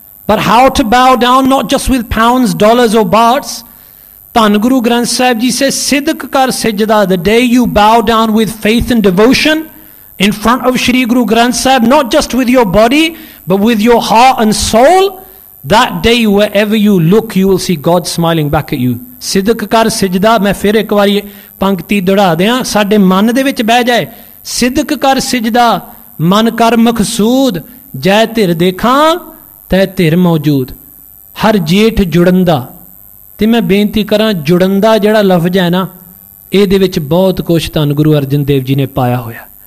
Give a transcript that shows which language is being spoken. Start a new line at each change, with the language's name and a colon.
English: But how to bow down, not just with pounds dollars or bahts.
Punjabi: ਧੰਨ ਗੁਰੂ ਗ੍ਰੰਥ ਸਾਹਿਬ ਜੀ ਸੇ ਸਿਦਕ ਕਰ ਸਿੱਜਦਾ,
English: The day you bow down with faith and devotion in front of Shri Guru Granth Sahib, not just with your body but with your heart and soul. That day, wherever you look, you will see God smiling back at you.
Punjabi: ਸਿਦਕ ਕਰ ਸਿਜਦਾ, ਮੈਂ ਫਿਰ ਇੱਕ ਵਾਰੀ ਪੰਕਤੀ ਦੁਹਰਾ ਦਿਆਂ, ਸਾਡੇ ਮਨ ਦੇ ਵਿੱਚ ਬਹਿ ਜਾਏ. Siddhak kar sijda, mann kar maqsood, jai tir dekhaan, tai tir maujood. ਹਰ ਜੇਠ ਜੁੜੰਦਾ, ਤੇ ਮੈਂ ਬੇਨਤੀ ਕਰਾਂ, ਜੁੜੰਦਾ ਜਿਹੜਾ ਲਫ਼ਜ਼ ਹੈ ਨਾ, ਇਹਦੇ ਵਿੱਚ ਬਹੁਤ ਕੁਝ ਤਾਂ ਗੁਰੂ ਅਰਜਨ ਦੇਵ ਜੀ ਨੇ ਪਾਇਆ ਹੋਇਆ.